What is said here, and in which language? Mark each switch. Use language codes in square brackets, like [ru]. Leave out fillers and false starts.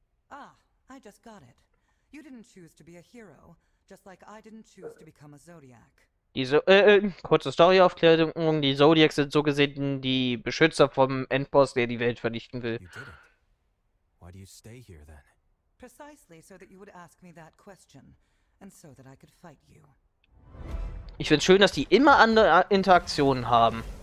[en] Ah, I just got it. You didn't choose to be a hero, just like I didn't choose to become a Zodiac. [de] Kurze Story-Aufklärung. Die Zodiacs sind so gesehen die Beschützer vom Endboss, der die Welt vernichten will. [en] Why do you stay here then? Precisely so that you would ask me that question, and so that I could fight you. [de] Ich finde schön, dass die immer andere Interaktionen haben.